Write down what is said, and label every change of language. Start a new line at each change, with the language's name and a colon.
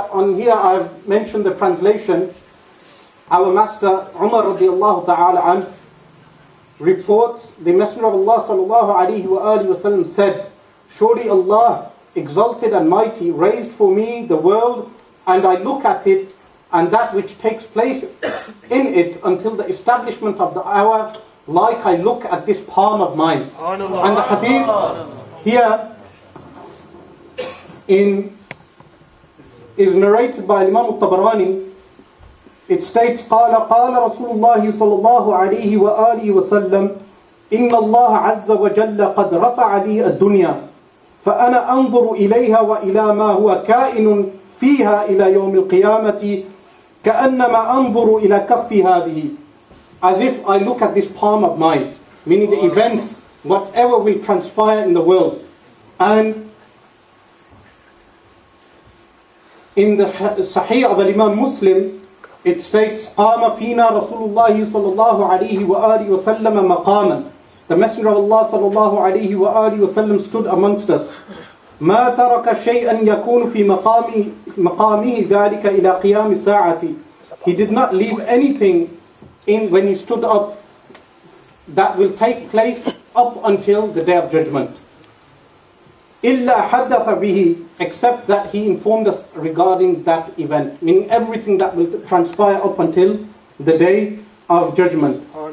English: On here I've mentioned the translation. Our master Umar radiallahu ta'ala an reports, the Messenger of Allah sallallahu alayhi wa alihi wa sallam said, surely Allah exalted and mighty raised for me the world, and I look at it and that which takes place in it until the establishment of the hour, like I look at this palm of mine. And the hadith here is narrated by Imam al-Tabarani. It states,
Arabic: قال قال رسول الله صلى الله عليه وآله وسلم إن الله عز وجل قد رفع لي الدنيا فأنا أنظر إليها وإلى ما هو كائن فيها إلى يوم القيامة كأنما أنظر إلى كفي هذه.
English: As if I look at this palm of mine, meaning the events, whatever will transpire in the world. And in the Sahih of Imam Muslim, it states,
Arabic: قام فينا رسول الله صلى الله عليه وآله وسلم مقاما.
English: The Messenger of Allah
Arabic: صلى الله عليه وآله وسلم
English: stood amongst us.
Arabic: ما ترك شيئا يكون في مقامه ذلك إلى قيام الساعة.
English: He did not leave anything in when he stood up that will take place up until the Day of Judgment.
Arabic: إلا حدث به,
English: except that he informed us regarding that event, meaning everything that will transpire up until the Day of Judgment.